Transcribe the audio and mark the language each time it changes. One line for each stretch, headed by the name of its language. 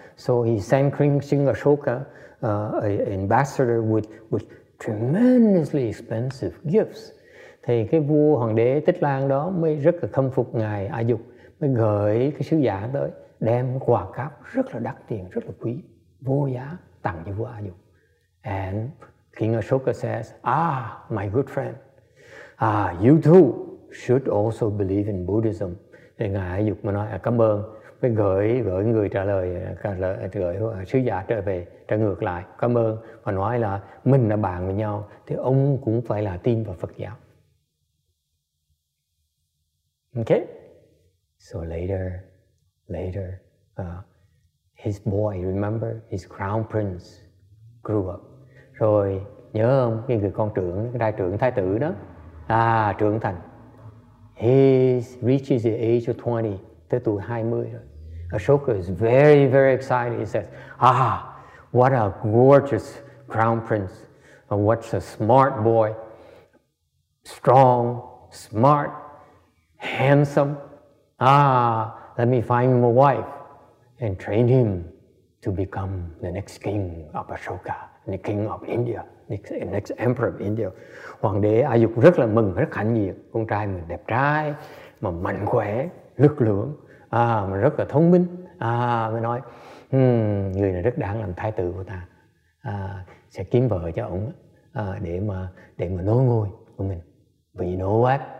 English: So he sent King Ashoka an ambassador with tremendously expensive gifts.
Vietnamese: Thì cái vua hoàng đế Tích Lan đó mới rất là khâm phục ngài A Dục, mới gửi cái sứ giả tới đem quà cáp rất là đắt tiền, rất là quý, vô giá tặng cho vua A Dục.
English: And King Ashoka says, "Ah, my good friend, you too should also believe in Buddhism."
Vietnamese: Thì ngài A Dục mới nói, "Cảm ơn." Mới gửi người trả lời sứ giả trở về, trả ngược lại, "Cảm ơn." Và nói là mình là bạn với nhau thì ông cũng phải là tin vào Phật giáo.
English: Okay? So later, his boy, remember, his crown prince grew up.
Vietnamese: Rồi nhớ không, cái người con trưởng, cái đại trưởng thái tử đó, trưởng thành.
English: He reaches the age of 20,
Vietnamese: tới tuổi 20 rồi.
English: Ashoka is very, very excited. He says, what a gorgeous crown prince. What a smart boy. Strong, smart, handsome. Let me find him a wife and train him to become the next king of Ashoka, the king of India, the next emperor of India.
Vietnamese: Hoàng đế A Dục rất là mừng, rất hạnh diện. Con trai mình đẹp trai, mà mạnh khỏe, lực lượng, mà rất là thông minh. Mới nói, người này rất đáng làm thái tử của ta. Sẽ kiếm vợ cho ông để mà nối ngôi của mình.
English: But you know what?